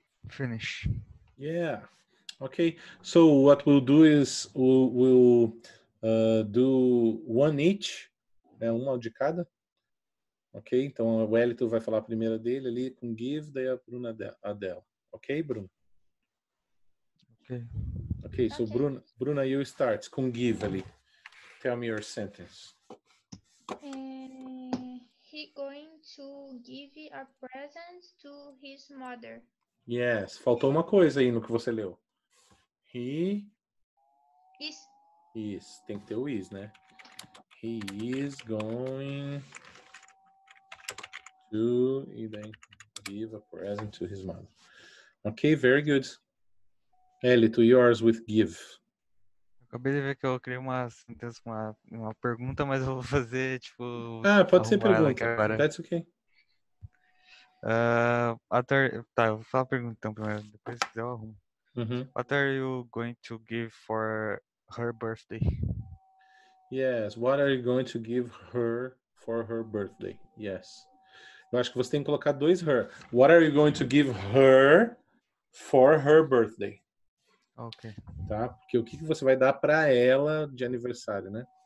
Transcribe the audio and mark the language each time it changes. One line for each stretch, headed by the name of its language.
English: Finish. Yeah. Okay. So what we'll do is we'll do one each.
Portuguese: Né? Uma de cada. Ok? Então o Wellington vai falar a primeira dele ali com give, daí a Bruna a dela. Ok, Bruna? Ok.
English: Ok, so okay. Bruna, you start com give ali. Tell me your sentence. He going to give a present to his mother.
Portuguese: Yes, faltou uma coisa aí no que você leu.
English: He is.
Portuguese: Tem que ter o is, né?
English: He is going to give a present to his mother. Okay, very good. Ellie, to yours with give.
Portuguese: Acabei de ver que eu criei uma sentença com uma pergunta, mas eu vou fazer tipo. Ah, pode ser pergunta.
English: That's okay.
Portuguese: Eu vou falar a pergunta então primeiro, depois se quiser eu arrumo. Uh-huh.
English: What are you going to give for her birthday? Yes, what are you going to give her for her birthday? Yes.
Portuguese: Eu acho que você tem que colocar dois her.
English: What are you going to give her for her birthday? Ok.
Portuguese: Tá? Porque o que você vai dar pra ela de aniversário, né?